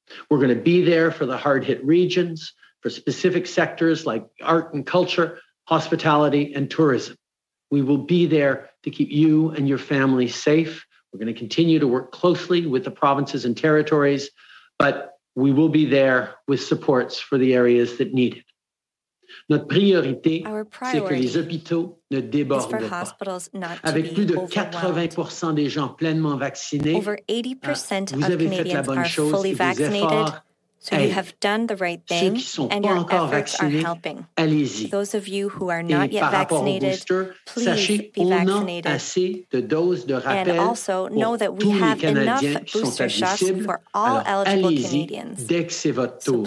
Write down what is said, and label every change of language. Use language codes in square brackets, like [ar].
[en] We're going to be there for the hard hit regions, for specific sectors like art and culture, hospitality and tourism. We will be there to keep you and your family safe. We're going to continue to work closely with the provinces and territories, but we will be there with supports for the areas that need it. [fr] Notre priorité, c'est que les hôpitaux ne débordent pas. Avec plus de 80% des gens pleinement vaccinés, vous avez fait la bonne chose et vos efforts. [en] So you have done the right thing and your efforts are helping. [fr] Allez-y. [en] Those of you who are not yet vaccinated, please be vaccinated. And also know that we have enough booster shots for all eligible Canadians. [fr] Dès que c'est votre tour.